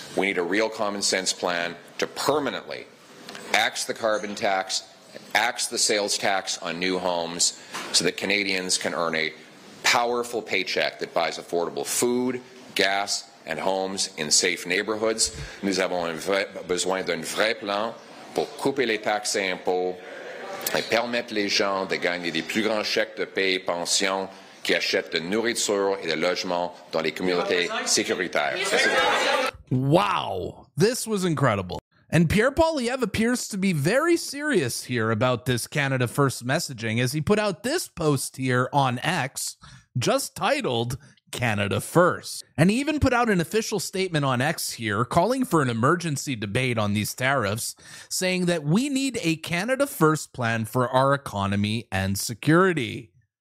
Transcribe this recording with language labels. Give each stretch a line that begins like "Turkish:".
English: We need a real common sense plan to permanently axe the carbon tax, axe the sales tax on new homes so that Canadians can earn a powerful paycheck that buys affordable food, gas, and homes in safe neighborhoods.
French: Nous avons besoin d'un vrai plan pour couper les taxes et impôts et permettre les gens de gagner des plus grands chèques de paie et pension qui achètent de nourriture et de logement dans les communautés sécuritaires.
English: Wow, this was incredible. And Pierre Poilievre appears to be very serious here about this Canada First messaging as he put out this post here on X, just titled Canada First. And he even put out an official statement on X here calling for an emergency debate on these tariffs, saying that we need a Canada First plan for our economy and security.